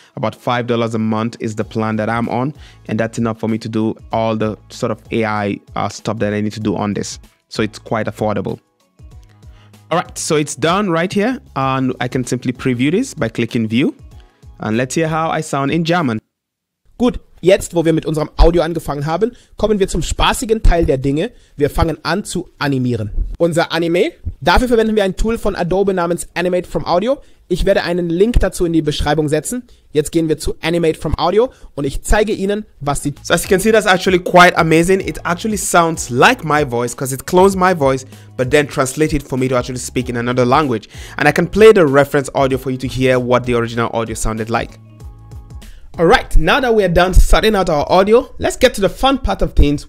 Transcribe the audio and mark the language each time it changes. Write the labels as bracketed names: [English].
[English] About $5 a month is the plan that I'm on. And that's enough for me to do all the sort of AI stuff that I need to do on this. So it's quite affordable. All right, so it's done right here. And I can simply preview this by clicking view. And let's hear how I sound in German. [German] Gut, jetzt wo wir mit unserem Audio angefangen haben, kommen wir zum spaßigen Teil der Dinge. Wir fangen an zu animieren. Unser Anime. Dafür verwenden wir ein Tool von Adobe namens Animate from Audio. Ich werde einen Link dazu in die Beschreibung setzen. Jetzt gehen wir zu Animate from Audio und ich zeige Ihnen, was sie... [English] So as you can see, that's actually quite amazing. It actually sounds like my voice because it clones my voice, but then translated for me to actually speak in another language. And I can play the reference audio for you to hear what the original audio sounded like. All right, now that we are done sorting out our audio, let's get to the fun part of things.